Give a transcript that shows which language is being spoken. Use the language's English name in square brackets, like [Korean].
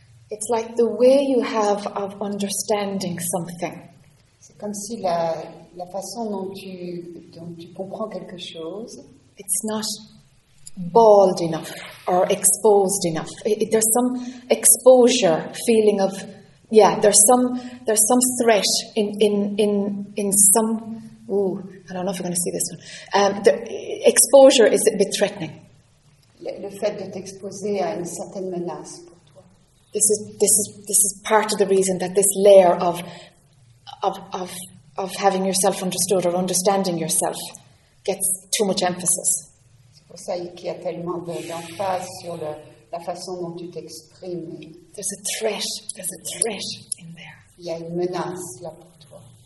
[English] It's like the way you have of understanding something. [French] Comme si la façon dont tu comprends quelque chose, [English] it's not bald enough or exposed enough. There's some exposure feeling of there's some threat in some. Ooh, I don't know if you're going to see this one. The exposure is a bit threatening. [French] Le fait de t'exposer à une certaine menace pour toi. [English] This is part of the reason that this layer of having yourself understood or understanding yourself gets too much emphasis. [French] C'est pour ça qu'il y a tellement d'emphase sur la façon dont tu t'exprimes. [English] There's a threat in there. [French] Il y a une menace là pour toi.